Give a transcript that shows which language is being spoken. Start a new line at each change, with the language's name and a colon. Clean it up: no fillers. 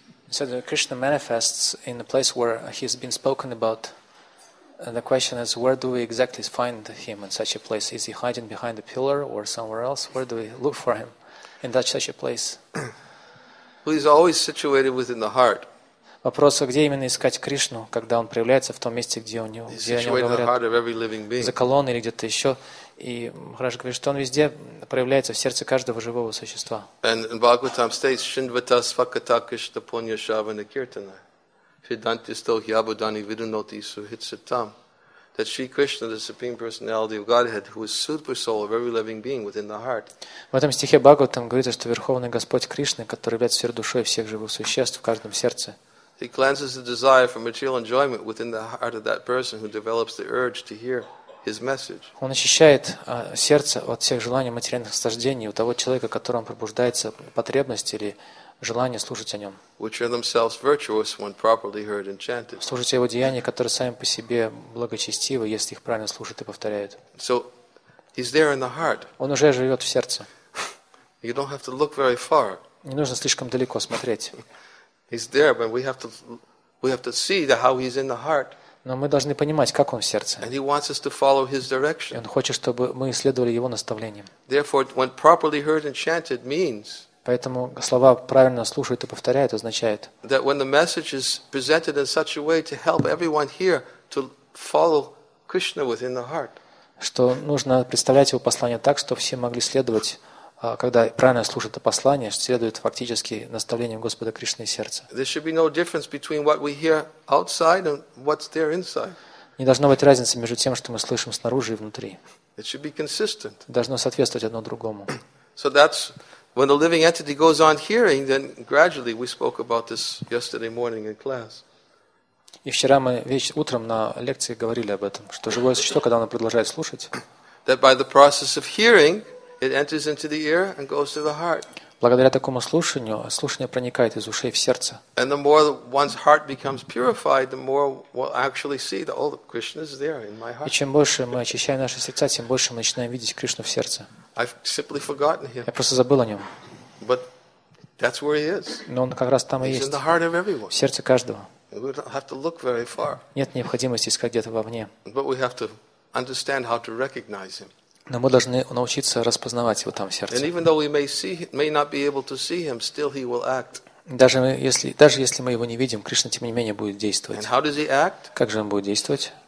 English: So the Krishna manifests in the place where he's been spoken about. And the question is, where do we exactly find him in such a place? Is he hiding behind a pillar or somewhere else? Where do we look for him in such a place? Well, he's always situated within the heart.
Russian: Вопрос, где именно искать Кришну, когда он проявляется в том месте, где у него, где о нем говорят, за колонной или где-то еще. И Махарадж говорит, что он везде проявляется в сердце каждого живого существа.
English: And in Bhagavatam states,
Sanskrit: Shinvata Svakata Krishna Punya Shavana Kirtana Siddhanti Stohyabhudani Vidunoti Suhitsitam.
English: That Shri Krishna, the Supreme Personality of Godhead, who is super soul of every living being within the heart.
Russian: В этом стихе Бхагаватам говорится, что Верховный Господь Кришна, который является сверхдушой всех живых существ в каждом сердце,
English: He cleanses the desire for material enjoyment within the heart of that person who develops the urge to hear his message.
Russian: Он очищает сердце от всех желаний материальных наслаждений у того человека, которому пробуждается потребность или желание слушать о нем.
English: Which are themselves virtuous when properly heard and chanted.
Russian: Слушать его деяния, которые сами по себе благочестивы, если их правильно слушают и повторяют.
English: So he's there in the heart.
Russian: Он уже живет в сердце.
English: You don't have to look very far.
Russian: Не нужно слишком далеко смотреть.
English: He's there, but we have to see how he's in the heart.
Russian: Но мы должны понимать, как он в сердце.
English: And he wants us to follow his direction.
Russian: И он хочет, чтобы мы следовали его наставлениям.
English: Therefore, when properly heard and chanted means.
Russian: Поэтому слова правильно слушают и повторяют означает.
English: That when the message is presented in such a way to help everyone here to follow Krishna within the heart.
Russian: Что нужно представлять его послание так, чтобы все могли следовать, когда правильно слушают это послание, следуют фактически наставлениям Господа Кришны и сердца.
English: There should be no difference between what we hear outside and what's there inside.
Russian: Не должно быть разницы между тем, что мы слышим снаружи и внутри.
English: It should be consistent.
Russian: Должно соответствовать одно другому.
English: So that's when the living entity goes on hearing, then gradually we spoke about this yesterday morning in class.
Russian: И вчера мы утром на лекции говорили об этом, что живое существо, когда оно продолжает слушать, благодаря такому слушанию, слушание проникает из ушей в сердце.
English: And the more one's heart becomes purified, the more we'll actually see that all Krishna is there in my heart.
Russian: И чем больше мы очищаем наши сердца, тем больше мы начинаем видеть Кришну в сердце.
English: I've simply forgotten him.
Russian: Я просто забыл о нем.
English: But that's where he is.
Russian: Но он как раз там и есть.
English: In the heart of everyone.
Russian: В сердце каждого.
English: We don't have to look very far.
Russian: Нет необходимости искать где-то вовне.
English: But we have to understand how to recognize him.
Russian: Но мы должны научиться распознавать его там в сердце.
English: And even though we may see, may not be able to see him, still he will act.
Russian: Даже если мы его не видим, Кришна тем не менее будет действовать.
English: And how does he act?
Russian: Как же он будет действовать?